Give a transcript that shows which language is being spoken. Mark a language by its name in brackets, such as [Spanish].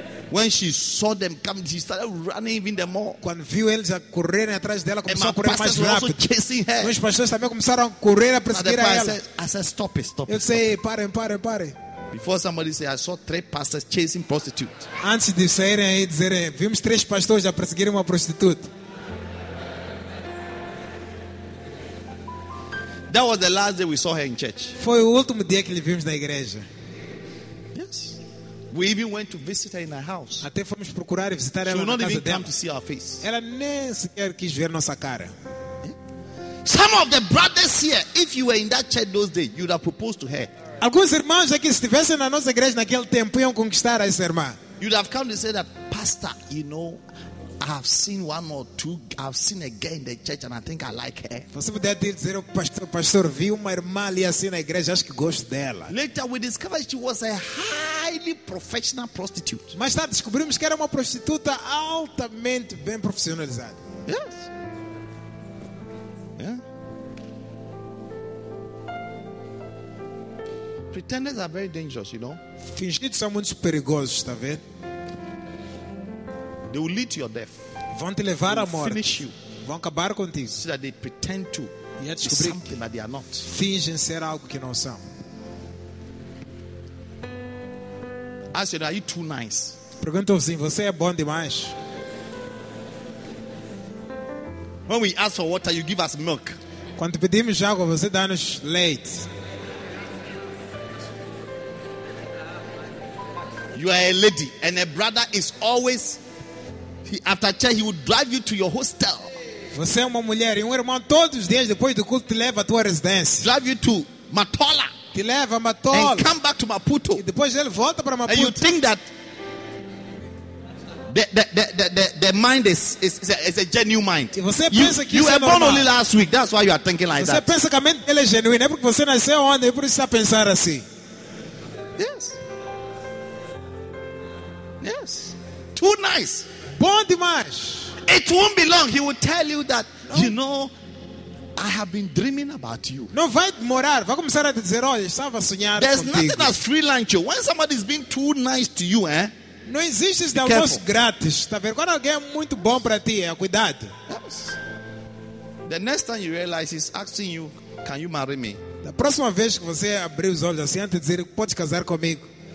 [English] When she saw them come, she started running even the more. [Portuguese] Quando viu eles a correr atrás dela, começou a correr mais rápido. Os pastores também começaram a correr a perseguir ela. [English] I said, stop it, stop it. [Portuguese] Eu disse, parem. [English] Before somebody said, I saw three pastors chasing prostitutes. [Portuguese] Antes de saírem aí, dizerem, vimos três pastores a perseguir uma prostituta. [English] That was the last day we saw her in church. [Portuguese] Foi o último dia que lhe vimos na igreja. [English] Yes. We even went to visit her in her house. [Portuguese] Até fomos procurar e visitar [English] she [Portuguese] ela na casa dela. [English] She would not even come to see our face. [Portuguese] Ela nem sequer quis ver nossa cara. [English] Some of the brothers here, if you were in that church those days, you would have proposed to her. [Portuguese] Alguns irmãos aqui, se estivessem na nossa igreja naquele tempo, iam conquistar a essa irmã. [English] You would have come to say that, pastor, you know, I've seen a girl in the church and I think I like her. [Portuguese] Você poderia dizer, pastor, vi uma irmã ali assim na igreja, acho que gosto dela. [English] Later we discovered she was a highly professional prostitute. [Portuguese] Mais tarde descobrimos que era uma prostituta altamente bem profissionalizada. [English] Yes. Yeah. Pretenders are very dangerous, you know. [Portuguese] Fingidos são muito perigosos, está vendo? [English] They will lead to your death. [Portuguese] Vão te levar à morte. [English] Finish you. [Portuguese] Vão acabar contigo. [English] So that they pretend to be something that they are not. [Portuguese] Fingem ser algo que não são. [English] I said, are you too nice? [Portuguese] Pergunta ao vizinho, você é bom demais? [English] When we ask for water, you give us milk. [Portuguese] Quando pedimos água, você dá-nos leite. [English] You are a lady, and a brother is always. After church, he would drive you to your hostel. [Portuguese] Você é uma mulher e irmão todos os dias depois do culto te leva à tua residência. [English] Drive you to Matola. [Portuguese] Te leva a Matola. [English] And come back to Maputo. [Portuguese] E depois ele volta para Maputo. [English] And you think that the mind is a genuine mind. [Portuguese] E você pensa que [English] you were born normal. Only last week. That's why you are thinking like [Portuguese] você [English] that. [Portuguese] Você pensa que a mente dele é genuína, é porque você nasceu ontem, é por isso está a pensar assim. [English] Yes. Yes. Too nice. [Portuguese] Bom demais. [English] It won't be long. He will tell you that, não. You know, I have been dreaming about you. [Portuguese] Não vai demorar. Vai começar a dizer, olha, estava a sonhar contigo. [English] There's nothing as free lunch. When somebody is being too nice to you, eh? [Portuguese] Não existe esse almoço grátis. Está vendo? Quando alguém é muito bom para ti, é cuidado. [English] Yes. The next time you realize he's asking you, can you marry me? [Portuguese] Da próxima vez que você abrir os olhos assim, antes de dizer, pode casar comigo?